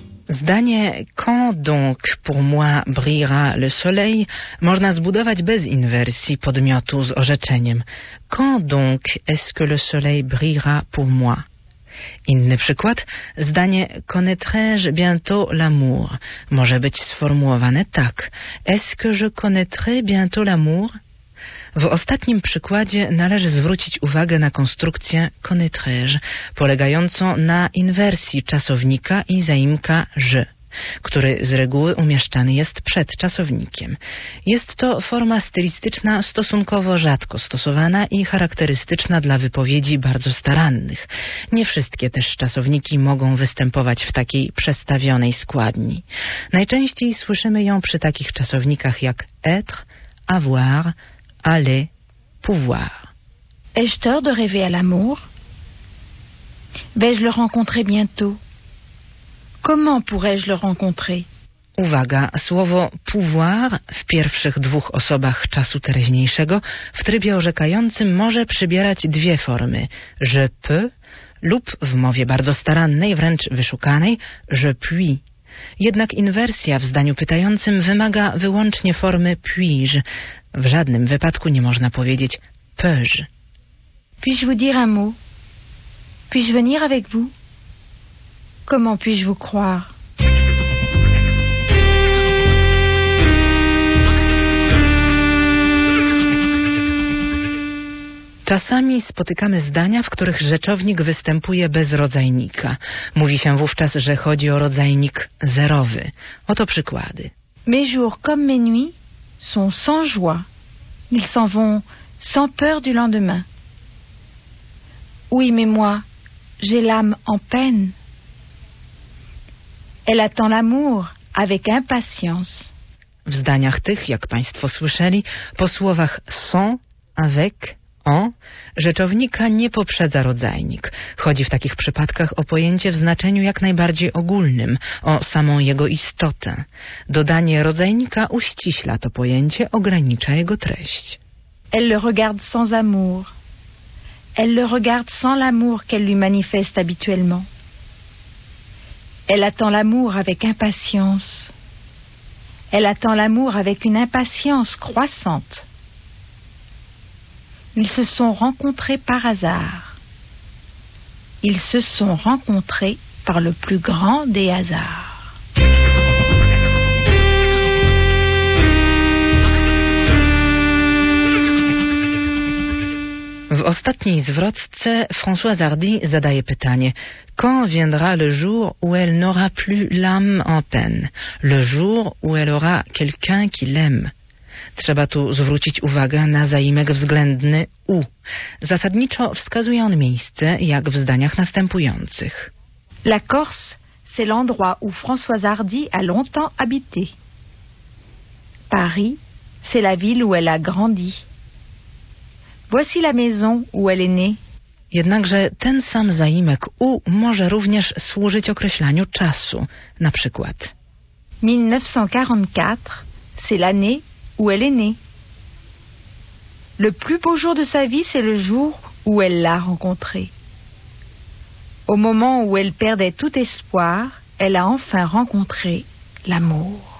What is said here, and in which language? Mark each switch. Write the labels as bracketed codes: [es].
[pl] Zdanie [fr] quand donc pour moi brillera le soleil [pl] można zbudować bez inwersji podmiotu z orzeczeniem. [fr] Quand donc est-ce que le soleil brillera pour moi? [pl] Inny przykład, zdanie [fr] connaîtrai-je bientôt l'amour [pl] może być sformułowane tak. [fr] Est-ce que je connaîtrai bientôt l'amour? [pl] W ostatnim przykładzie należy zwrócić uwagę na konstrukcję connaîtrai-je, polegającą na inwersji czasownika i zaimka je. który z reguły umieszczany jest przed czasownikiem. Jest to forma stylistyczna stosunkowo rzadko stosowana i charakterystyczna dla wypowiedzi bardzo starannych. Nie wszystkie też czasowniki mogą występować w takiej przestawionej składni. Najczęściej słyszymy ją przy takich czasownikach jak être, avoir, aller, pouvoir. [fr] Ai-je tort de rêver à l'amour? Vais-je le rencontrer bientôt? Comment pourrais-je le rencontrer? [pl] Uwaga, słowo pouvoir w pierwszych dwóch osobach czasu teraźniejszego w trybie orzekającym może przybierać dwie formy: [fr] je peux [pl] lub w mowie bardzo starannej, wręcz wyszukanej, [fr] je puis. [pl] Jednak inwersja w zdaniu pytającym wymaga wyłącznie formy puis-je. W żadnym wypadku nie można powiedzieć peux-je. [fr] Puis-je vous dire un mot? Puis-je venir avec vous? Comment puis-je vous croire? [pl] Czasami spotykamy zdania, w których rzeczownik występuje bez rodzajnika. Mówi się wówczas, że chodzi o rodzajnik zerowy. Oto przykłady. [fr] Mes jours comme mes nuits sont sans joie. Ils s'en vont sans peur du lendemain. Oui, mais moi, j'ai l'âme en peine. Elle attend l'amour avec impatience. [pl] W zdaniach tych, jak Państwo słyszeli, po słowach sans, avec, en, rzeczownika nie poprzedza rodzajnik. Chodzi w takich przypadkach o pojęcie w znaczeniu jak najbardziej ogólnym, o samą jego istotę. Dodanie rodzajnika uściśla to pojęcie, ogranicza jego treść. [fr] Elle le regarde sans amour. Elle le regarde sans l'amour qu'elle lui manifeste habituellement. Elle attend l'amour avec impatience. Elle attend l'amour avec une impatience croissante. Ils se sont rencontrés par hasard. Ils se sont rencontrés par le plus grand des hasards. [pl] W ostatniej zwrotce [fr] Françoise Hardy [pl] zadaje pytanie: [fr] quand viendra le jour où elle n'aura plus l'âme en peine? Le jour où elle aura quelqu'un qui l'aime. [pl] Trzeba tu zwrócić uwagę na zaimek względny u. Zasadniczo wskazuje on miejsce, jak w zdaniach następujących. [fr] La Corse, c'est l'endroit où Françoise Hardy a longtemps habité. Paris, c'est la ville où elle a grandi. Voici la maison où elle est née. [pl] Jednakże ten sam zaimek u może również służyć określaniu czasu, na przykład. [fr] 1944, c'est l'année où elle est née. Le plus beau jour de sa vie, c'est le jour où elle l'a rencontré. Au moment où elle perdait tout espoir, elle a enfin rencontré l'amour.